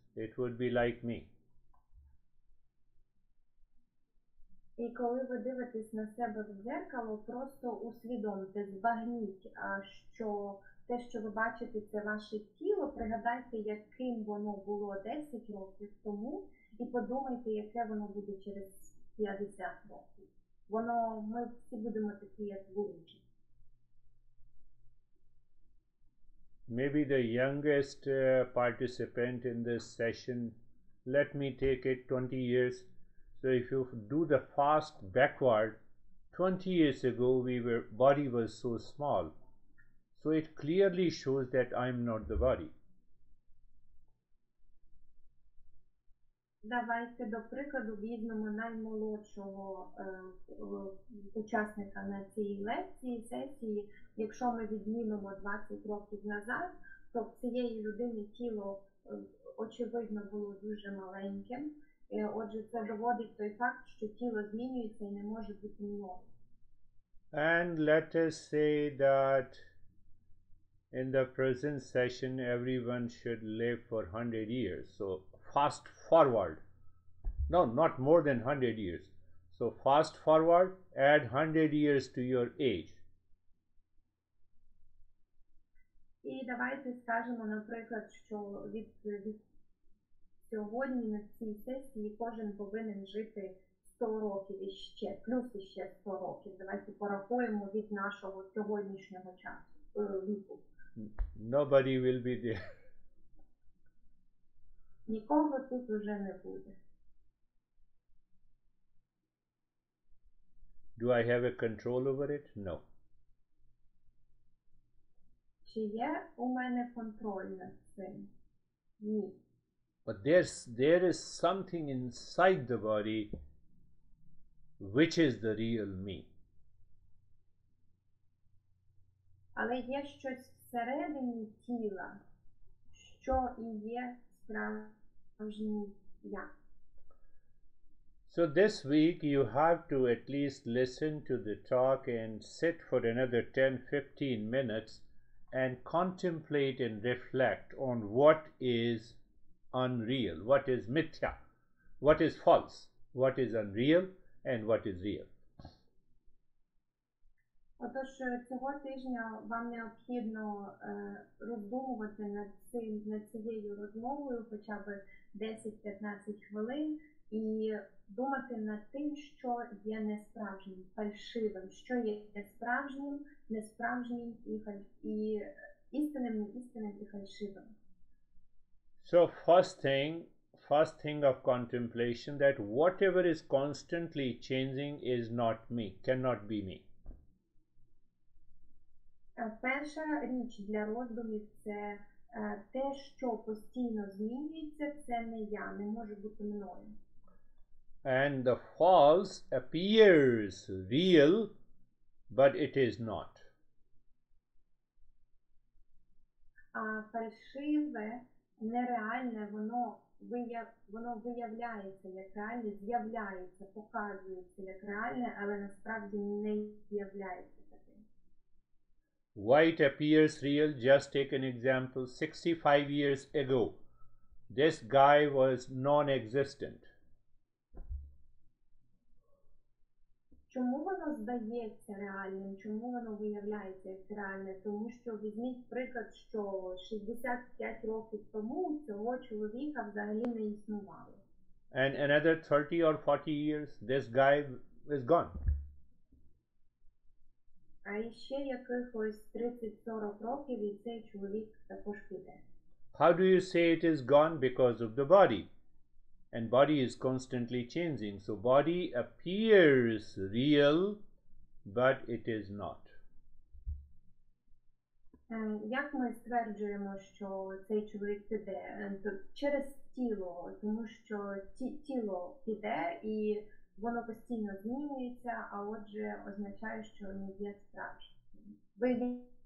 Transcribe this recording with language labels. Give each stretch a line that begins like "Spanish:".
English: It would be like me.
Ukrainian: І коли ви дивитесь на себе в дзеркало, просто усвідомте, збагніть, а що те, що ви бачите, це ваше тіло, пригадайте, яким воно було 10 років тому, і подумайте, яке воно буде через 50 років. Воно, ми всі будемо такі, як вуличі.
English: Maybe the youngest participant in this session, let me take it 20 years. So if you do the fast backward, 20 years ago, body was so small. So it clearly shows that I'm not the body.
Ukrainian: Давайте, до прикладу, візьмемо наймолодшого учасника на цій лекції, сесії. Якщо ми віднімемо 20 років назад, то цієї людини тіло, очевидно, було дуже маленьким. Отже, це доводить той факт, що тіло змінюється і не може бути ніло.
English: And let us say that in the present session everyone should live for 100 years. So fast forward. No, not more than 100 years. So fast forward, add 100 years to your age.
Ukrainian: І давайте скажемо, наприклад, що від сьогодні на цій сесії кожен повинен жити 100 років і ще, плюс ще 100 років. Давайте порахуємо від нашого сьогоднішнього часу, віку.
English: Nobody will be there.
Ukrainian: Нікого тут уже не буде.
English: Do I have a control over it? No.
Ukrainian: Чи є у мене контроль над цим? Ні.
English: But there is something inside the body which is the real me.
Ukrainian: Але є щось всередині тіла, що і є справжній я.
English: So this week you have to at least listen to the talk and sit for another 10-15 minutes and contemplate and reflect on what is unreal, what is mithya, what is false, what is unreal and what is real.
Ukrainian: Отож, цього тижня вам необхідно роздумувати над цією розмовою хоча б 10-15 хвилин і думати над тим, що є несправжнім, фальшивим, що є справжнім, несправжнім і істинним, неістинним і фальшивим.
English: So first thing of contemplation, that whatever is constantly changing is not me, cannot be me.
Ukrainian: Перша річ для роздумів – це те, що постійно змінюється, це не я, не може бути мною.
English: And the false appears real, but it is not.
Ukrainian: А фальшиве, нереальне, воно виявляється як реальне, з'являється, показується як реальне, але насправді не з'являється.
English: White appears real. Just take an example. 65 years ago, this guy was non-existent.
Ukrainian: Чому воно здається реальним? Чому воно виявляється як реальне? Тому що візьміть приклад, що 65 років тому цього чоловіка взагалі не існувало.
English: And another 30 or 40 years, this guy is gone.
Ukrainian: А ще якихось 30-40 років і цей чоловік також піде.
English: How do you say it is gone? Because of the body. And body is constantly changing. So body appears real, but it is not.
Ukrainian: Як ми стверджуємо, що цей чоловік піде? Через тіло, тому що тіло піде і воно постійно змінюється, а отже означає, що не є справжнє.